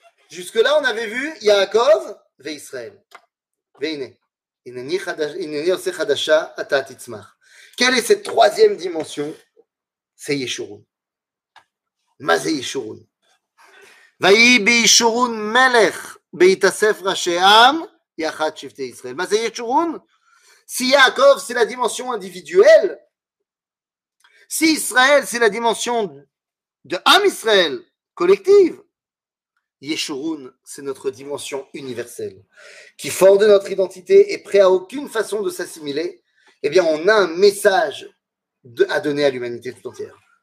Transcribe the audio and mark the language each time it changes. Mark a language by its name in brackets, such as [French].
[French] Jusque là, on avait vu Yaakov וישראל. [Hebrew] והנה, הנני עושה חדשה, אתה תצמח. [French] Quelle est cette troisième dimension? C'est ישורון. [Hebrew] מה זה ישורון? ויהי בישורון מלך בהתאסף ראשי עם, Yachat Shifte Israël. [French] Mais c'est Yeshurun. Si Yaakov, c'est la dimension individuelle, si Israël, c'est la dimension de Am Israël, collective, Yeshurun, c'est notre dimension universelle, qui, fort de notre identité, est prêt à aucune façon de s'assimiler, eh bien, on a un message à donner à l'humanité tout entière.